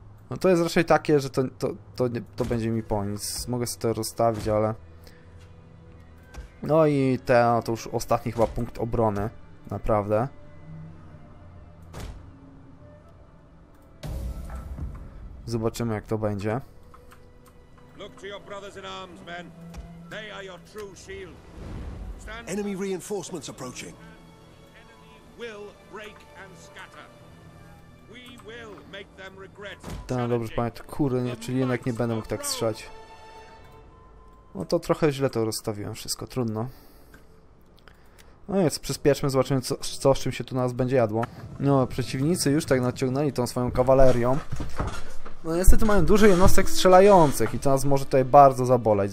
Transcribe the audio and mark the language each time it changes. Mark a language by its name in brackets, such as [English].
[Polish] No to jest raczej takie, że to będzie mi po nic. Mogę sobie to rozstawić, ale... No i to już ostatni chyba punkt obrony. Naprawdę. Zobaczymy, jak to będzie. [English] Look to your brothers in arms, men. They are your true shield. Stand. Enemy reinforcements approaching. Enemy will break and scatter. We will make them regret. [Polish] Tak, dobrze pamiętam. Kurde, nie, czyli jednak nie będę mógł tak strzelać. No to trochę źle to rozstawiłem wszystko, trudno. No więc przyspieszmy, zobaczymy co z czym się tu nas będzie jadło. No, przeciwnicy już tak naciągnęli tą swoją kawalerią. No niestety mają dużo jednostek strzelających i to nas może tutaj bardzo zabolać.